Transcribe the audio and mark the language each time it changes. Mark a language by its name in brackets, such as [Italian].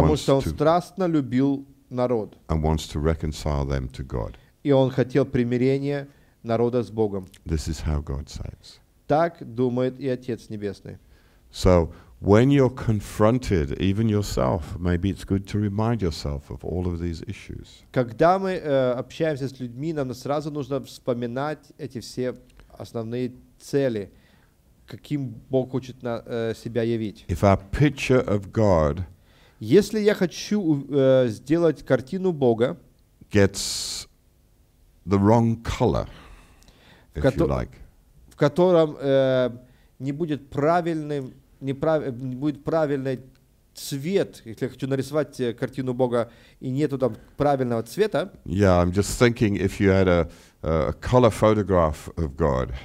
[Russian] потому что он страстно любил народ. [English] And wants to reconcile them to God. [Russian] И он хотел примирения народа с Богом. [English] This is how God says. [Russian] Так думает и Отец Небесный. [English] So, when you're confronted, even yourself, maybe it's good to remind yourself of all of these issues. [Russian] Когда мы общаемся с людьми, нам сразу нужно вспоминать эти все основные цели, каким Бог хочет на себя явить. [English] If our picture of God, [Russian] если я хочу сделать картину Бога, [English] gets the wrong color, if you like, [Russian] в котором не будет правильным будет правильный цвет, если я хочу нарисовать картину Бога, и нету там правильного цвета. [English] Yeah, I'm just thinking if you had a color photograph of God.